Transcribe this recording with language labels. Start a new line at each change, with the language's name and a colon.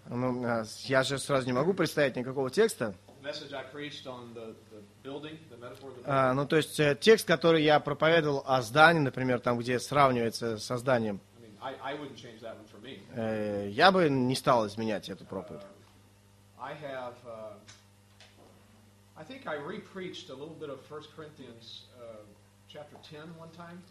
Russian: Ну, я же сразу не могу представить никакого текста.
English: Message I preached on the building, the metaphor of the building.
Russian: Ну, то есть текст, который я проповедовал о здании, например, там, где сравнивается со зданием.
English: I wouldn't change that one for me.
Russian: Я бы не стал изменять эту проповедь.
English: I have, I think I re-preached a little bit of 1 Corinthians chapter 10 one time.